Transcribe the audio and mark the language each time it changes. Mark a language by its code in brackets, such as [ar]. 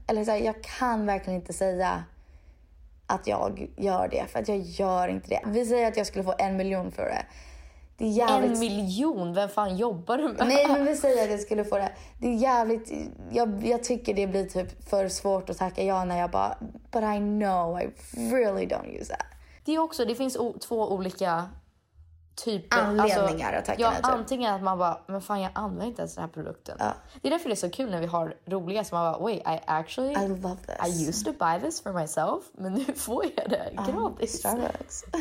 [sv] Eller så här, jag kan verkligen inte säga... att jag gör det. För att jag gör inte det. Vi säger att jag skulle få 1 miljon för det. Det är jävligt... 1 miljon? Vem fan jobbar du med? Nej, men vi säger att jag skulle få det. Det är jävligt... Jag tycker det blir typ för svårt att tacka ja när jag bara... [en] But I know I really don't use that. [sv] Det är också... Det finns två olika typer... Anledningar alltså, att tacka ja, typ. Antingen att man bara... Men fan, jag använder inte ens den här produkten. Det är därför det är så kul när vi har roliga som man bara... [en] Wait, I actually... I love this. I used to buy this for myself. [sv] Men nu får jag det gratis. Starbucks.